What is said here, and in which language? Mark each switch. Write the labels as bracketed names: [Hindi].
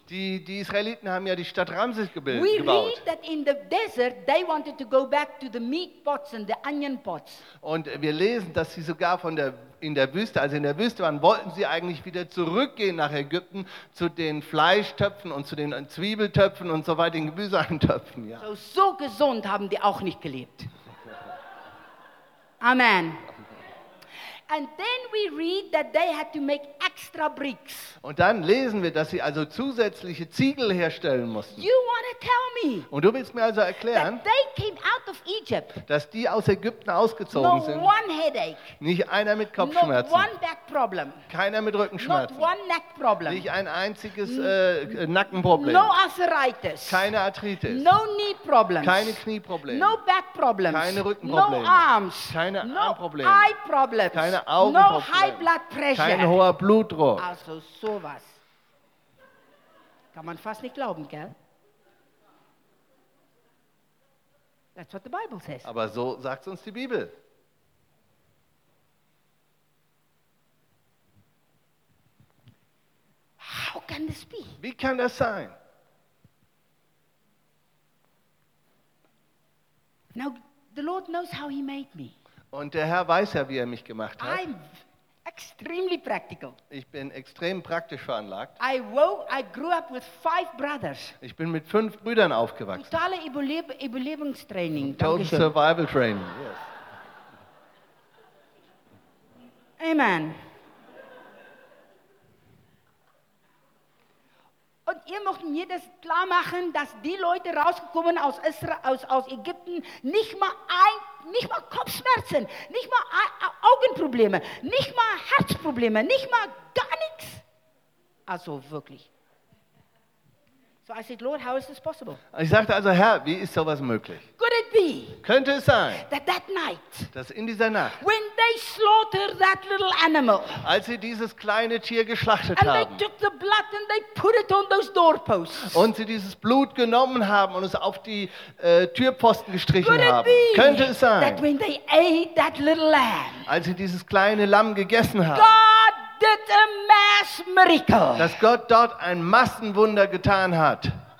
[German] Die Israeliten haben ja die Stadt Ramses gebaut. [English] We read that in the desert they wanted to go back to the meat pots and the onion pots. [German] Und wir lesen, dass sie sogar in der Wüste waren, wollten sie eigentlich wieder zurückgehen nach Ägypten zu den Fleischtöpfen und zu den Zwiebeltöpfen und so weiter, den Gemüseeintöpfen. Ja. So gesund haben die auch nicht gelebt. Amen. [English] And then we read that they had to make extra bricks. [German] Und dann lesen wir, dass sie also zusätzliche Ziegel herstellen mussten. [English] You want to tell me? [German] Und du willst mir also erklären, [English] that they came out of Egypt. [German] Dass die aus Ägypten ausgezogen [English] not [German] sind. [English] One headache. [German] Nicht einer mit Kopfschmerzen. [English] Not one back problem. [German] Keiner mit Rückenschmerzen. [English] Not one neck problem. [German] Nicht ein einziges Nackenproblem. [English] No arthritis. [German] Keine Arthritis. [English] No knee problems. [German] Keine Knieprobleme. [English] No back problems. [German] Keine Rückenprobleme. [English] No arms. [German] Keine [English] no [German] Armprobleme. [English] Eye problems. [German] Keine [English] no high blood pressure. [German] Kein hoher Blutdruck. Also sowas. Kann man fast nicht glauben, gell? [English] That's what the Bible says. [German] Aber so sagt uns die Bibel. [English] How can this be? [German] Wie kann das sein? [English] Now the Lord knows how he made me. [German] Und der Herr weiß ja, wie er mich gemacht hat. [English] I'm extremely practical. [German] Ich bin extrem praktisch veranlagt. [English] I grew up with 5 brothers. [German] Ich bin mit 5 Brüdern aufgewachsen. Totale Überlebenstraining. [English] Total [German] Dankeschön. [English] Survival training. Yes. Amen. [German] Und ihr möchtet mir das klar machen, dass die Leute rausgekommen aus Israel, aus Ägypten, nicht mal Kopfschmerzen, nicht mal Augenprobleme, nicht mal Herzprobleme, nicht mal gar nichts. Also wirklich. [English] So I said, Lord, how is this possible? [German] Ich sagte also, Herr, wie ist sowas möglich? [English] Could it be? [German] Könnte es sein? [English] That night. [German] Dass in dieser Nacht. [English] When they slaughtered that little animal. [German] Als sie dieses kleine Tier geschlachtet [English] and [German] haben. [English] And they took the blood and they put it on those doorposts. [German] Und sie dieses Blut genommen haben und es auf die Türpfosten gestrichen [English] could [German] haben. [English] It be? [German] Könnte es sein? [English] That when they ate that little lamb. [German] Als sie dieses kleine Lamm gegessen haben. [English] God did a mass miracle. [German] Dass Gott dort ein Massenwunder getan hat.